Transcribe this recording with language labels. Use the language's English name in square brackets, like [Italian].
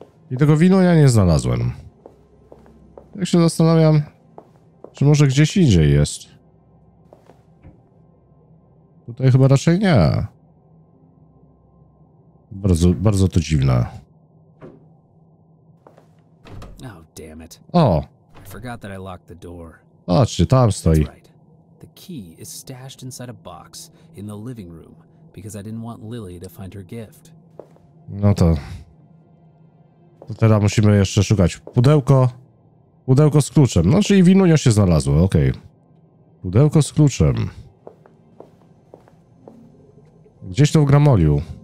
[Polish] I tego wina ja nie znalazłem. Jak się zastanawiam... Czy może gdzieś indziej jest? Tutaj chyba raczej nie. Bardzo, bardzo to dziwne. [English] Oh, damn it. it. O. I forgot that I locked the door. [Polish] O, czy tam stoi. [English] That's right. The key is stashed inside a box in the living room because I didn't want Lily to find her gift. [Polish] No to. To teraz musimy jeszcze szukać. Pudełko. Pudełko z kluczem. No, czyli winunio się znalazło, okej. Okay. Pudełko z kluczem. Gdzieś to w gramoliu.